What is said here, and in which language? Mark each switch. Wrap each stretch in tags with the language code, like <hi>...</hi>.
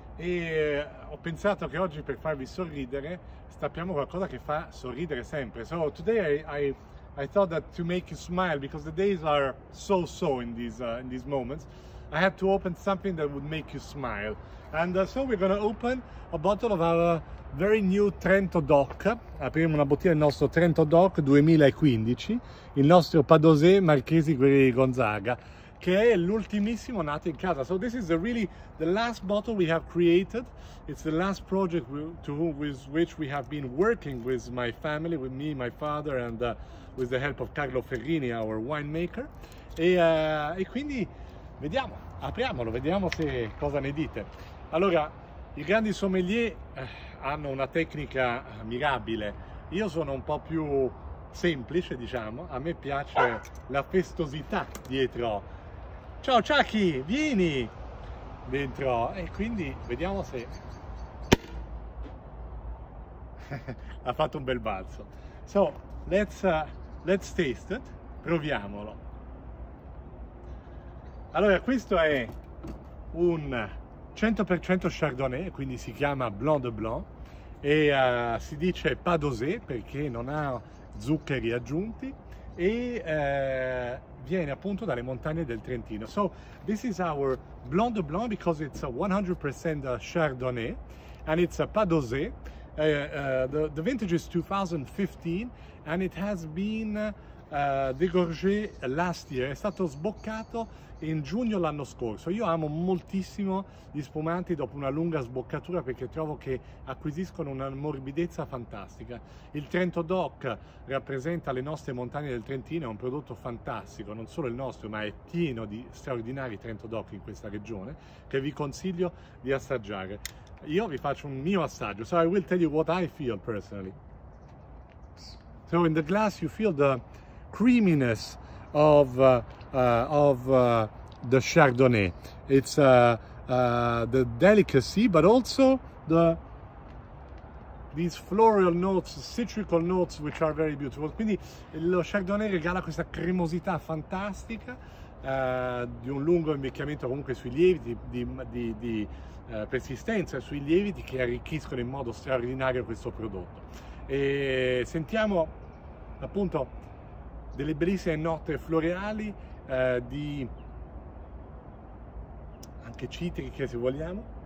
<it>E ho pensato che oggi per farvi sorridere stappiamo qualcosa che fa sorridere sempre.</it> <en>So today I thought that to make you smile, because the days are so in these moments, I had to open something that would make you smile. And so we're gonna open a bottle of our very new Trento DOC.</en> <it>Apriamo una bottiglia del nostro Trento DOC 2015, il nostro Padosé Marchesi Guerrieri di Gonzaga, che è l'ultimissimo nato in casa.</it> <en>So this is a really the last bottle we have created. It's the last project with which we have been working with my family, with me, my father, and with the help of Carlo Ferrini, our winemaker.</en> <it>E quindi vediamo, apriamolo, vediamo se cosa ne dite. Allora, i grandi sommelier hanno una tecnica mirabile. Io sono un po' più semplice, diciamo. A me piace la festosità dietro. Ciao Chucky, vieni dentro. E quindi vediamo se... ha fatto un bel balzo.</it> <en>So, let's taste it.</en> <it>Proviamolo. Allora, questo è un 100% Chardonnay, quindi si chiama Blanc de Blanc, e si dice Padosé perché non ha zuccheri aggiunti, e viene appunto dalle montagne del Trentino.</it> <en>So, this is our Blanc de Blanc because it's a 100% Chardonnay, and it's a Padosé. The vintage is 2015, and it has been degorgé last year,</en> <it>è stato sboccato in giugno l'anno scorso. Io amo moltissimo gli spumanti dopo una lunga sboccatura perché trovo che acquisiscono una morbidezza fantastica. Il Trento DOC rappresenta le nostre montagne del Trentino, è un prodotto fantastico, non solo il nostro, ma è pieno di straordinari Trento DOC in questa regione che vi consiglio di assaggiare. Io vi faccio un mio assaggio.</it> <en>So I will tell you what I feel personally. So in the glass you feel the creaminess of the Chardonnay. It's the delicacy, but also these floral notes, citrical notes, which are very beautiful.</en> <it>Quindi lo Chardonnay regala questa cremosità fantastica di un lungo invecchiamento comunque sui lieviti, di persistenza sui lieviti che arricchiscono in modo straordinario questo prodotto. E sentiamo appunto delle bellissime note floreali, di anche citriche se vogliamo.</it>